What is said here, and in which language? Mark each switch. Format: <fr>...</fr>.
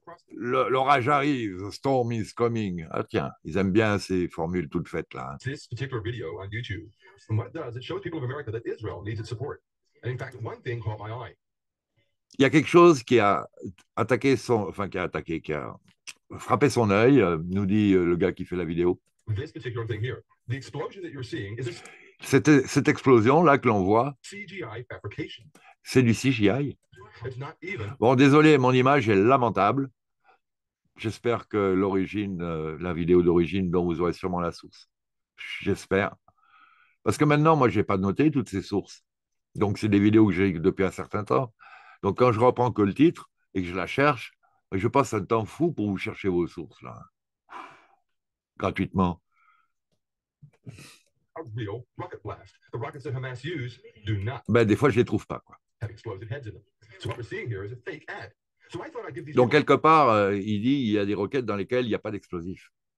<fr>L'orage arrive,</fr> <en>the storm is coming.</en> <fr>Ah tiens, ils aiment bien ces formules toutes faites là.</fr> <en>This particular video on YouTube, and what it does, it shows people of America that Israel needs its support. And in fact, one thing caught my eye.</en> <fr>Il y a quelque chose qui a attaqué enfin qui a frappé son œil, nous dit le gars qui fait la vidéo.</fr> <en>This particular thing here. The explosion that you're seeing is a</en> <fr>Cette explosion-là que l'on voit,</fr> <en>CGI fabrication.</en> <fr>c'est du CGI.</fr> <en>It's not even.</en> <fr>Bon, désolé, mon image est lamentable. J'espère que l'origine, la vidéo d'origine, dont vous aurez sûrement la source. J'espère. Parce que maintenant, moi, je n'ai pas noté toutes ces sources. Donc, c'est des vidéos que j'ai depuis un certain temps. Donc, quand je reprends que le titre et que je la cherche, je passe un temps fou pour vous chercher vos sources, là. Gratuitement.</fr> <en>A real rocket blast. The rockets that Hamas use do not</en> <fr>Ben, des fois, je ne les trouve pas, quoi.</fr> <en>have explosive heads in them. So what we're seeing here is a fake ad.</en> <fr>Donc, quelque part, il dit il y a des roquettes dans lesquelles il n'y a pas d'explosifs.</fr>